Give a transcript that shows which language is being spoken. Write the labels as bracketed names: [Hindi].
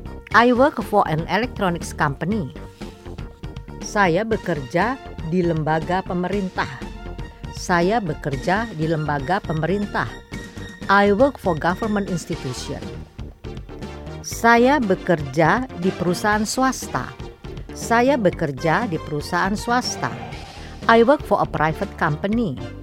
[English] I work for an electronics company. [Indonesian] Saya bekerja di lembaga pemerintah. Saya bekerja di lembaga pemerintah. [English] I work for government institution. [Indonesian] Saya bekerja di perusahaan swasta. Saya bekerja di perusahaan swasta. [English] I work for a private company.